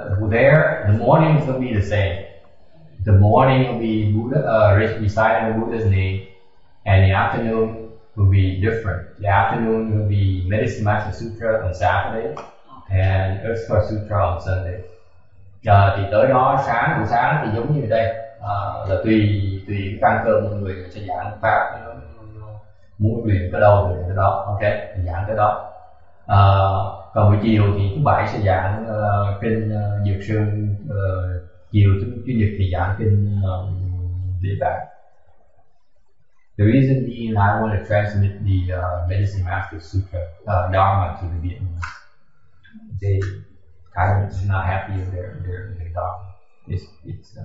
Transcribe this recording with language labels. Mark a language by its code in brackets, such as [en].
[en] There, the morning is going to be the same. The morning will be Buddha, reciting the Buddha's name, and the afternoon will be different. The afternoon will be Medicine Master Sutra on Saturday, and Sutra Sutra on Sunday. [vi] Thì tới đó sáng, buổi sáng thì giống như đây, là tùy căn cơ mọi người sẽ giảng pháp, muốn luyện cái đâu luyện cái đó, ok, giảng cái đó. Còn buổi chiều thì thứ bảy sẽ giảng kinh Dược Sư. Chiều thứ chủ nhật thì giảng kinh Địa Tạng. [en] The reason being, I want to transmit the Medicine Master Sutra Dharma to the Vietnamese. They kind of are not happy with their dogma.